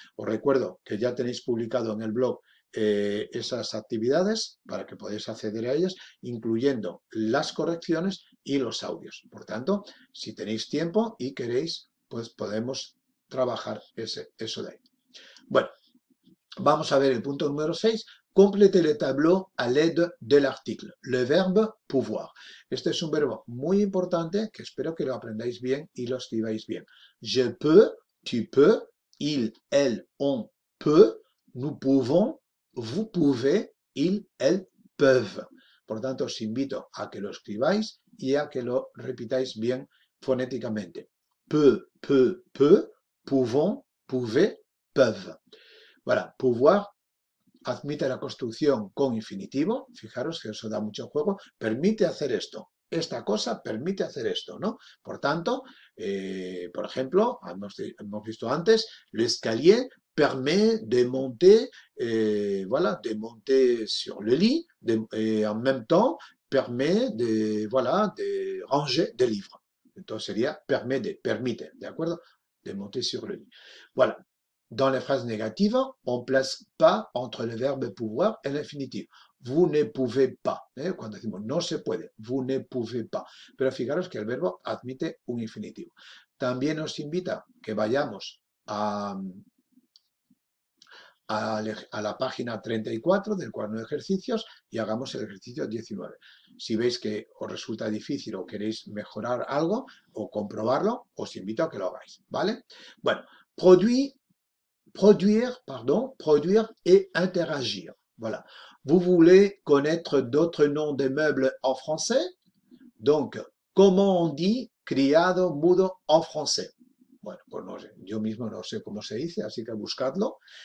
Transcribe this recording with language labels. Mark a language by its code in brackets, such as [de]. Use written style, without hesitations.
[es] Os recuerdo que ya tenéis publicado en el blog esas actividades para que podáis acceder a ellas, incluyendo las correcciones y los audios. Por tanto, si tenéis tiempo y queréis, pues podemos trabajar eso de ahí. Bueno, vamos a ver el punto número 6. [fr] Complete le tableau à l'aide de l'article. Le verbe pouvoir. [es] Este es un verbo muy importante que espero que lo aprendáis bien y lo escribáis bien. [fr] Je peux, tu peux, il, elle, on peut, nous pouvons. Vous pouvez, ils, elles peuvent. [es] Por tanto, os invito a que lo escribáis y a que lo repitáis bien fonéticamente. [fr] Peu, peu, peu, pouvons, pouvez, peuvent. [es] Voilà, pouvoir admite la construcción con infinitivo. Fijaros que eso da mucho juego. Permite hacer esto. Esta cosa permite hacer esto, ¿no? Por tanto, por ejemplo, hemos visto antes, [fr] l'escalier permet de monter, voilà, de monter sur le lit, en même temps, permet de, voilà, de ranger des livres. [es] Entonces sería [fr] permet de, [es] permite, ¿de acuerdo? [fr] De monter sur le lit. Voilà. Dans les phrases négatives, on ne place pas entre le verbe pouvoir et l'infinitif. Vous ne pouvez pas. [es] Cuando decimos no se puede, [fr] vous ne pouvez pas. [es] Pero fijaros que el verbo admite un infinitivo. También nos invita que vayamos a la página 34 del cuaderno de ejercicios y hagamos el ejercicio 19. Si veis que os resulta difícil o queréis mejorar algo o comprobarlo, os invito a que lo hagáis, ¿vale? [fr] Bueno, produire et interagir. Voilà. Vous voulez connaître d'autres noms de meubles en français? Donc, Comment on dit criado mudo en français? [es] Bueno, pues no sé, yo mismo no sé cómo se dice, así que buscadlo.